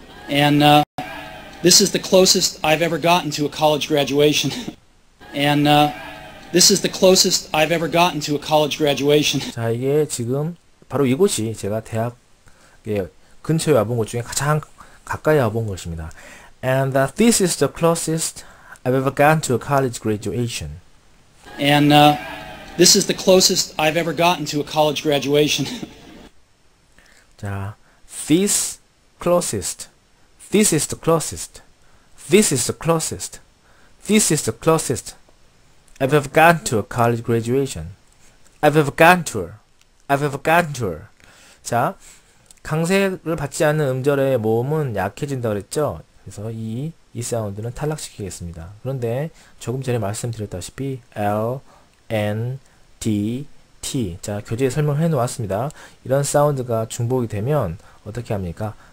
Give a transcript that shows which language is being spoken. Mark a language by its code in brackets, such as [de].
[en] And this is the closest I've ever gotten to a college graduation. And this is the closest I've ever gotten to a college graduation. [ko] 자, 이게 지금 바로 이곳이 제가 대학에 근처에 와본 곳 중에 가장 가까이 와본 것입니다. [en] And this is the closest I've ever gotten to a college graduation. And this is the closest I've ever gotten to a college graduation. 자, this closest. This is the closest. This is the closest. This is the closest I've ever gotten to a college graduation. I've ever gotten to her. I've ever gotten to her. [ko] 자, 강세를 받지 않는 음절의 모음은 약해진다고 그랬죠? 그래서 이 사운드는 탈락시키겠습니다. 그런데 조금 전에 말씀드렸다시피 L, N, D, T. 자, 교재에 설명을 해놓았습니다. 이런 사운드가 중복이 되면 어떻게 합니까?